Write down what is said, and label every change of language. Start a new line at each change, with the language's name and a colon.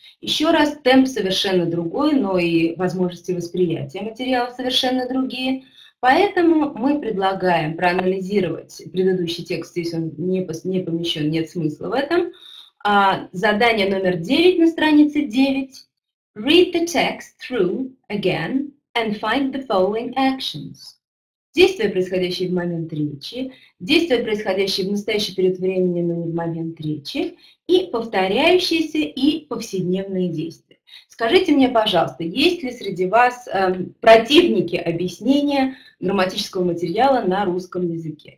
Russian: Еще раз, темп совершенно другой, но и возможности восприятия материала совершенно другие. Поэтому мы предлагаем проанализировать предыдущий текст, если он не помещен, нет смысла в этом. Задание номер 9 на странице 9.
English: Read the text through again and find the following actions.
Russian: Действия, происходящие в момент речи, действия, происходящие в настоящий период времени, но не в момент речи, и повторяющиеся и повседневные действия. Скажите мне, пожалуйста, есть ли среди вас противники объяснения грамматического материала на русском языке?